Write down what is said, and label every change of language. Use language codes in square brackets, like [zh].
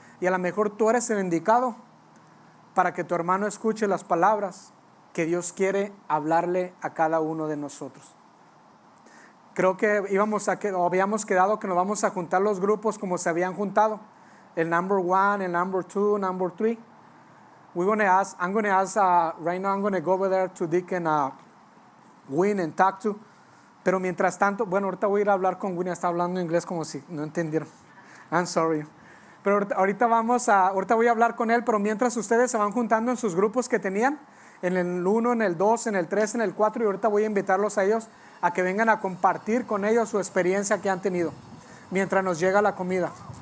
[es] Y a lo mejor tú eres el indicado para que tu hermano escuche las palabras que Dios quiere hablarle a cada uno de nosotros. Creo que habíamos quedado que nos vamos a juntar los grupos como se habían juntado, el [en] number one, [es] el [en] number two, number three. Right now I'm going to go over there to Deacon Win and talk to. [es] Pero mientras tanto, bueno, ahorita voy a ir a hablar con Win, está hablando inglés como si no entendieron. [en] I'm sorry. [es] Pero ahorita voy a hablar con él, pero mientras ustedes se van juntando en sus grupos que tenían, en el 1, en el 2, en el 3, en el 4, y ahorita voy a invitarlos a ellos a que vengan a compartir con ellos su experiencia que han tenido mientras nos llega la comida.